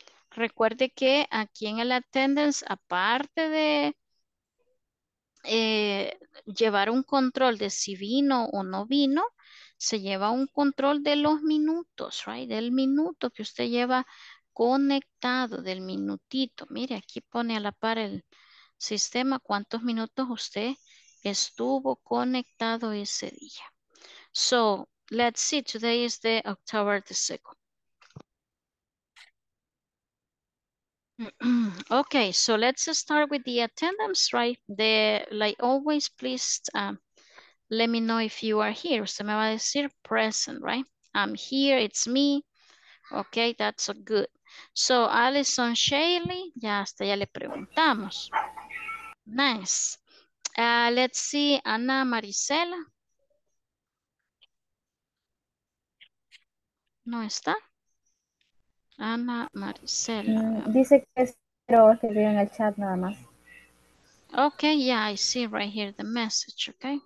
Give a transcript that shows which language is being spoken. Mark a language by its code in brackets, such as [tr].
[es] Recuerde que aquí en el attendance, aparte de llevar un control de si vino o no vino, se lleva un control de los minutos, right? Del minuto que usted lleva conectado, del minutito. Mire, aquí pone a la par el sistema, ¿cuántos minutos usted estuvo conectado ese día? [en] So, let's see, today is the October the 2nd. Okay, so let's start with the attendance, right? The like always, please let me know if you are here. [es] Usted me va a decir [en] present, right? I'm here, it's me. Okay, that's a good. So, Allison Shaley, [es] ya hasta ya le preguntamos. [en] Nice. Let's see, Ana Marisela. [es] ¿No está? Ana Marisela. Dice que es, pero que vive en el chat nada más. [en] Okay, yeah, I see right here the message, okay?